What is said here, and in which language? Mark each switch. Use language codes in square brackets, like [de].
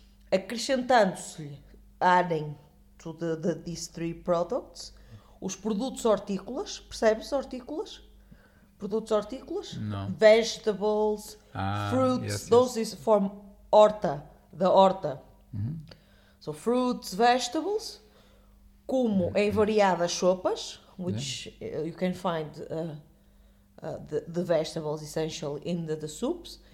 [pt] Acrescentando-se, [en] adding to these three products, [pt] os produtos hortícolas, percebes hortícolas? Produtos hortícolas? [en] No. Vegetables, fruits, yes. Those is from horta, the horta. Mm-hmm. So fruits, vegetables, como mm-hmm. [pt] em variadas sopas, which mm-hmm. [en] You can find the vegetables essentially in the soups,